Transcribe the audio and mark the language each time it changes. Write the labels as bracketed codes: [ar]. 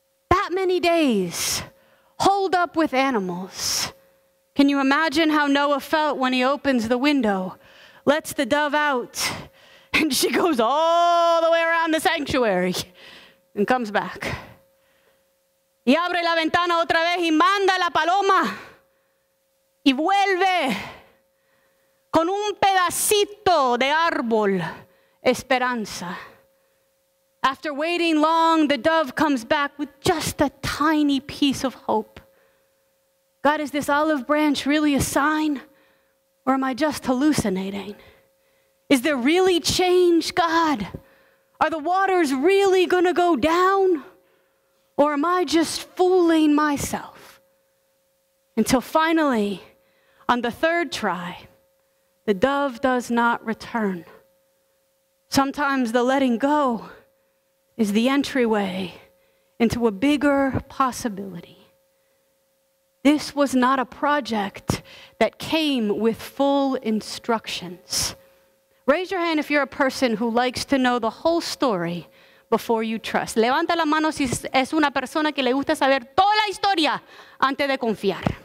[en] That many days, holed up with animals. Can you imagine how Noah felt when he opens the window, lets the dove out, and she goes all the way around the sanctuary and comes back? [es] Y abre la ventana otra vez y manda la paloma y vuelve con un pedacito de árbol, esperanza. [en] After waiting long, the dove comes back with just a tiny piece of hope. God, is this olive branch really a sign, or am I just hallucinating? Is there really change, God? Are the waters really gonna go down? Or am I just fooling myself? Until finally, on the third try, the dove does not return. Sometimes the letting go is the entryway into a bigger possibility. This was not a project that came with full instructions. Raise your hand if you're a person who likes to know the whole story before you trust. [es] Levanta la mano si es una persona que le gusta saber toda la historia antes de confiar.